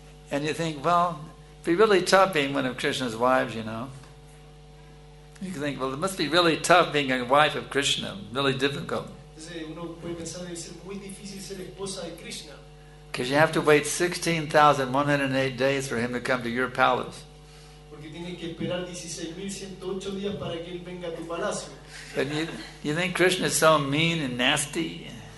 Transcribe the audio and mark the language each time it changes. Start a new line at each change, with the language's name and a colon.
English: And you think, well, it'd be really tough being one of Krishna's wives, you know. You think, well, it must be really tough being a wife of Krishna, really difficult. Because you have to wait 16,108 days for him to come to your palace.
Spanish: porque tienes que esperar 16,108 días para que él venga a tu palacio.
English: You think Krishna is so mean and nasty?